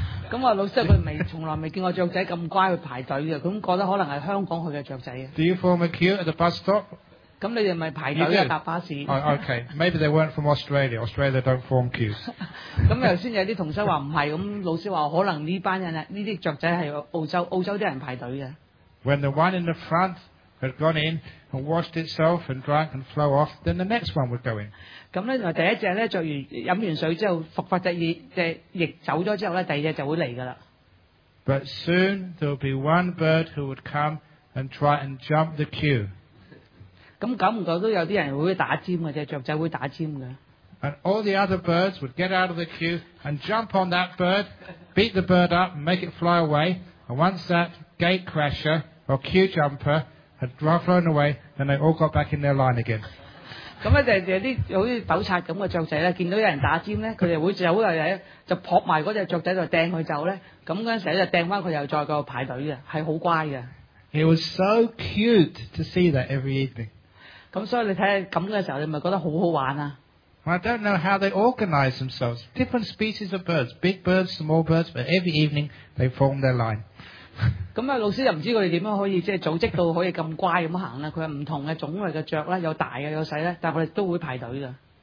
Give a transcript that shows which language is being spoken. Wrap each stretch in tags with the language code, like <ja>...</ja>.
<yue>咁話老師，佢未從來未見過雀仔咁乖去排隊嘅，咁覺得可能係香港去嘅雀仔。</yue> <en>Do you form a queue at the bus stop?</en> <yue>咁你哋咪排隊啊搭巴士。</yue> <en>Okay, maybe they weren't from Australia. Australia don't form queues.</en> <yue>咁頭先有啲同修話唔係，咁老師話可能呢班人呢啲雀仔係澳洲啲人排隊嘅。</yue> <en>When the one in the front had gone in and washed itself and drank and flow off, then the next one would go in.</en> <yue>咁咧，第一隻咧，著完飲完水之後，復發隻翼走咗之後咧，第二隻就會嚟噶啦。</yue> <en>But soon there would be one bird who would come and try and jump the queue.</en> <yue>咁久唔久都有啲人會打尖嘅，只雀仔會打尖嘅。</yue> <en>And all the other birds would get out of the queue and jump on that bird, beat the bird up and make it fly away. And once that gate crasher or queue jumper had flown away, then they all got back in their line again.</en> <yue>咁咧就有啲好似斗賊咁嘅雀仔咧，見到有人打尖咧，佢哋會走嚟咧，就撲埋嗰只雀仔就掟佢走咧。咁嗰陣時咧就掟翻佢又再個排隊嘅，係好乖嘅。</yue> <en>It was so cute to see that every evening.</en> <yue>咁所以你睇咁嘅時候，你咪覺得好好玩啊！</yue> <en>I don't know how they organize themselves. Different species of birds, big birds, small birds, but every evening they form their line.</en> <yue>咁老师又唔知佢哋点样可以即系组织到可以咁乖咁行啦。佢系唔同嘅种类嘅雀咧，有大嘅有细咧，但系我哋都会排队噶。</yue>